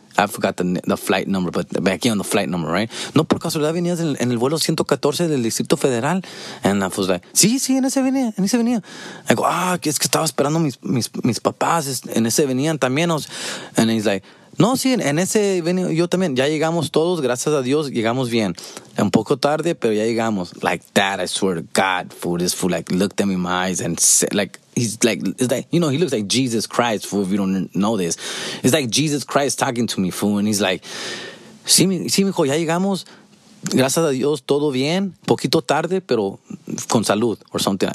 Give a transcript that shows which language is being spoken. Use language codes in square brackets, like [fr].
[en] I forgot the flight number, but back here on the flight number, right? [es] ¿No por casualidad venías en el vuelo 114 del Distrito Federal? [en] And I was like, [es] sí, en ese venía. [en] I go, [es] es que estaba esperando mis papás, en ese venían también. [en] And he's like, [es] no, sí, en ese venía yo también. Ya llegamos todos, gracias a Dios, llegamos bien. Un poco tarde, pero ya llegamos. [en] Like that, I swear to God, fool, this fool, looked at me in my eyes and said, he's like, you know, he looks like Jesus Christ, fool, if you don't know this. It's like Jesus Christ talking to me, fool, and he's like, [es] sí, mijo, ya llegamos, gracias a Dios, todo bien, poquito tarde, pero con salud, [en] or something.